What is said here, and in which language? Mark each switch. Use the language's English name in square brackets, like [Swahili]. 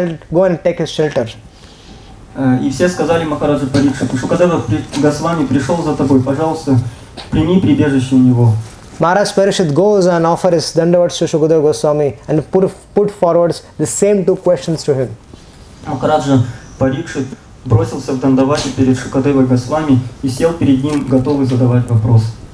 [English] Go and take his shelter. [Russian] И все сказали Махараджу Парикшиту, Shukadeva Goswami пришел за тобой, пожалуйста, прими прибежище у него. [English] Maharaj Parishit goes and offers dandavats to Sukadeva Goswami and put forwards the same two questions to him. [Russian] Maharaja Parikshit бросился в дандавати перед Шукадевой Госвами и сел перед ним, готовый задавать вопрос.